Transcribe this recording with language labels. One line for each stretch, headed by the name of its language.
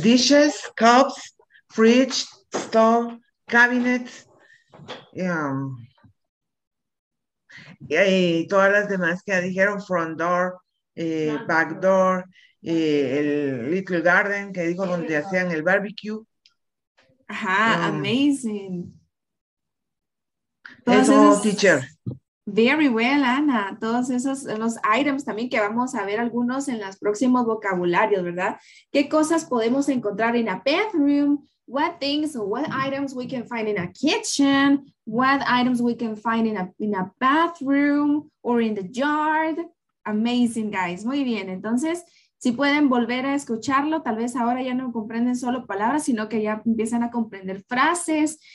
English: Dishes, cups, fridge, stove, cabinets,
Spanish: y todas las demás que dijeron,
English: front door, back door, el little garden
Spanish: que dijo donde hacían
English: el barbecue. Ajá, amazing.
Spanish: Entonces, eso, teacher.
English: Very well, Ana.
Spanish: Todos esos los items también que vamos a ver algunos en los próximos vocabularios, ¿verdad? ¿Qué cosas podemos encontrar en
English: a bathroom? What things or what items we can find in a kitchen? What items we can find in a bathroom or in the yard? Amazing, guys.
Spanish: Muy bien. Entonces, si pueden volver a escucharlo, tal vez ahora ya no comprenden solo palabras, sino que ya empiezan a comprender frases.